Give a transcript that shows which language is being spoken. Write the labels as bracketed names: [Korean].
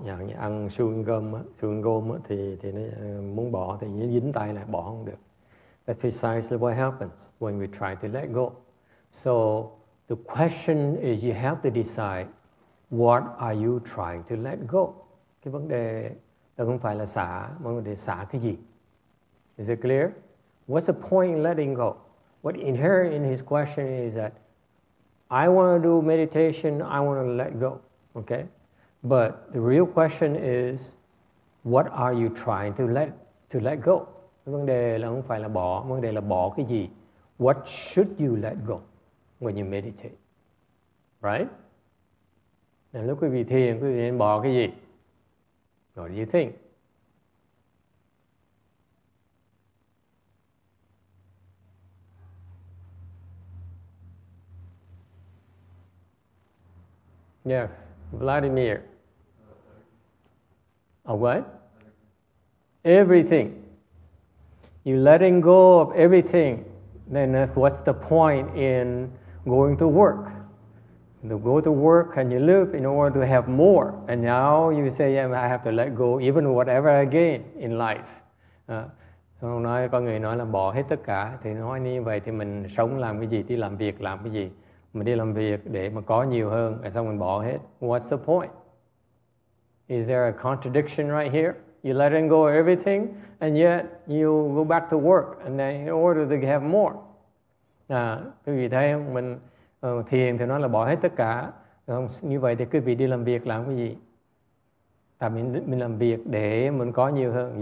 [Vietnamese] Dạng như ăn chewing gum thì nó muốn bỏ thì nó dính tay lại bỏ không được. [English] That's precisely what happens when we try to let go. So the question is you have to decide what are you trying to let go? [Vietnamese] Cái vấn đề là không phải là xả, mà vấn đề xả cái gì? [English] Is it clear? What's the point in letting go? What inherent in his question is that I want to do meditation, I want to let go, okay? But the real question is, what are you trying to let go? [Vietnamese] Vấn đề là không phải là bỏ, vấn đề là bỏ cái gì? [English] What should you let go when you meditate, right? [Vietnamese] And lúc quý vị thiền, quý vị nên bỏ cái gì? [English] What do you think? Yes, Vladimir. A what? Everything. You're letting go of everything Then what's the point in going to work? You go to work and you live in order to have more. And now you say, yeah, I have to let go even whatever I gain in life. [Vietnamese] Nó nói có người nói là bỏ hết tất cả thì nói như vậy thì mình sống làm cái gì, đi làm việc làm cái gì, mình đi làm việc để mà có nhiều hơn rồi xong mình bỏ hết. [English] What's the point? Is there a contradiction right here? You letting go of everything and yet you go back to work and then in order to have more. [Vietnamese] Quý vị thấy không? Mình thiền thì nói là bỏ hết tất cả, không như vậy thì quý vị đi làm việc làm cái gì? Tại mình làm việc để mình có nhiều hơn.